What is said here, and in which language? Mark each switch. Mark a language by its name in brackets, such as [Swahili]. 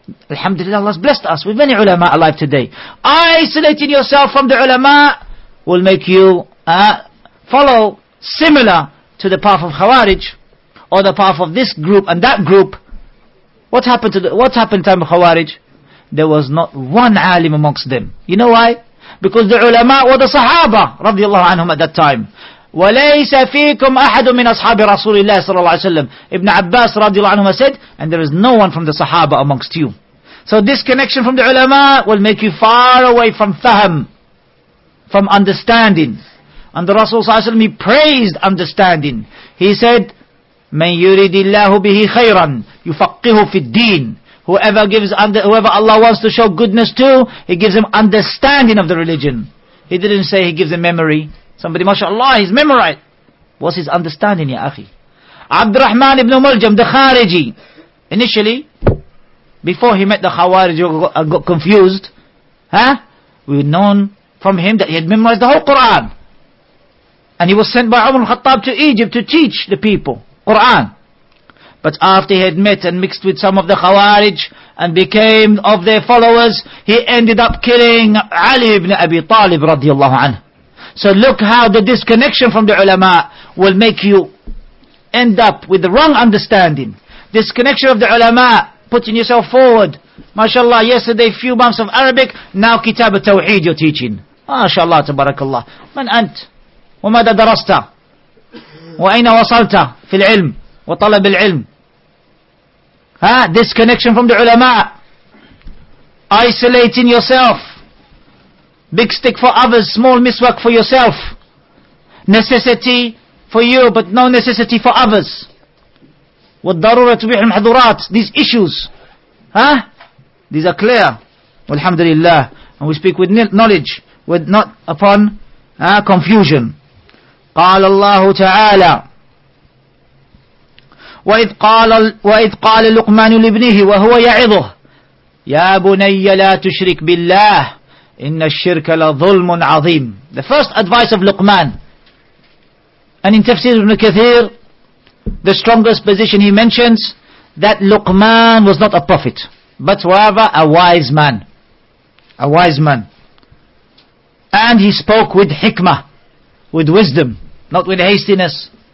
[English] Alhamdulillah, Allah has blessed us with many ulama alive today. Isolating yourself from the ulama will make you follow similar to the path of Khawarij, or the path of this group and that group. What happened to time of Khawarij? There was not one alim amongst them. You know why? Because the ulama were the Sahaba, radiallahu anhum, at that time. [Arabic] وليس فيكم أحد من أصحاب رسول الله صلى الله عليه وسلم. [English] Ibn Abbas [Arabic] رضي الله عنهما [English] said, and there is no one from the Sahaba amongst you. So this connection from the ulama will make you far away from fahm, from understanding. And the Rasul [Arabic] صلى الله عليه وسلم, [English] he praised understanding. [Arabic] He said, من يريد الله به خيرا يفقه في الدين. [English] Whoever gives under, whoever Allah wants to show goodness to, he gives him understanding of the religion. He didn't say he gives him memory. Somebody, mashallah, he's memorized. What's his understanding, ya akhi? Abdurrahman ibn Muljam, the Khariji. Initially, before he met the Khawarij, got confused. Huh? We had known from him that he had memorized the whole Quran. And he was sent by Umar al-Khattab to Egypt to teach the people Quran. But after he had met and mixed with some of the Khawarij and became of their followers, he ended up killing Ali ibn Abi Talib radiallahu anhu. So look how the disconnection from the ulama will make you end up with the wrong understanding. Disconnection of the ulama, putting yourself forward. MashaAllah, yesterday few months of Arabic, now Kitab al-Tawheed you're teaching. MashaAllah, tabarakallah. [Arabic] Man ant? وماذا درست؟ وأين وصلت في العلم؟ وطلب العلم. [English] Huh? Disconnection from the ulama. Isolating yourself. Big stick for others, small miswak for yourself. Necessity for you, but no necessity for others. [Arabic] والضرورة تبيح المحظورات. [English] These issues. Huh? These are clear. Alhamdulillah. And we speak with knowledge, with not upon confusion. [Arabic] قال الله تعالى وإذ قال لقمان لابنه وهو يعظه يا بني لا تشرك بالله إن الشرك لظلم عظيم. [English] The first advice of Luqman, and in Tafsir Ibn Kathir the strongest position he mentions that Luqman was not a prophet but rather a wise man, and he spoke with hikmah, with wisdom, not with hastiness.